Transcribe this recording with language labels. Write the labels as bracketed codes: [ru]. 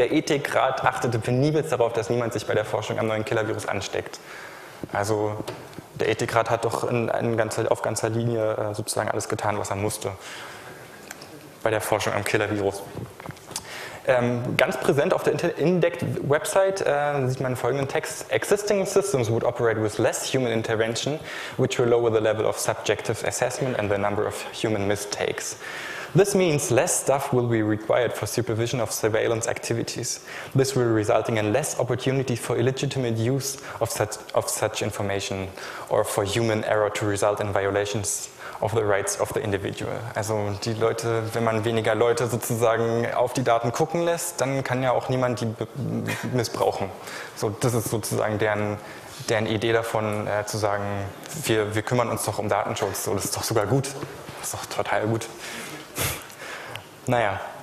[de] Der Ethikrat achtete penibel darauf, dass niemand sich bei der Forschung am neuen Killer-Virus ansteckt. Also der Ethikrat hat doch auf ganzer Linie sozusagen alles getan, was er musste bei der Forschung am Killer-Virus. Ganz präsent auf der Indect-Website sieht man folgenden Text. [en] Existing systems would operate with less human intervention, which will lower the level of subjective assessment and the number of human mistakes. This means less stuff will be required for supervision of surveillance activities. This will result in less opportunity for illegitimate use of such information or for human error to result in violations of the rights of the individual. [de] Also die Leute, wenn man weniger Leute sozusagen auf die Daten gucken lässt, dann kann ja auch niemand die missbrauchen. So, das ist sozusagen deren Idee davon, zu sagen, wir kümmern uns doch um Datenschutz. So, das ist doch sogar gut. Das ist doch total gut. Naja.